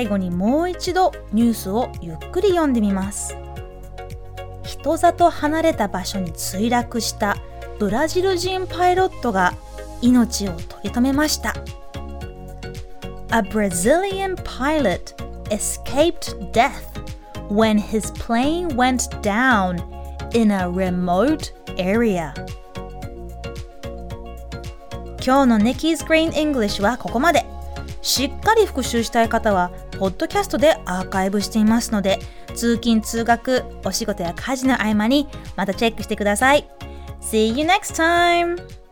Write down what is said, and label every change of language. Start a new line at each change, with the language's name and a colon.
Japanese: もう一度ニュースをゆっくり読んでみます。人里離れた場所に墜落したブラジル人パイロットが命を取り留めました。
English: A Brazilian pilot escaped death when his plane went down in a remote area.
Japanese: 今日の Nikki's Green English はここまで。しっかり復習したい方はポッドキャストでアーカイブしていますので、通勤通学、お仕事や家事の合間にまたチェックしてください。
English: See you next time!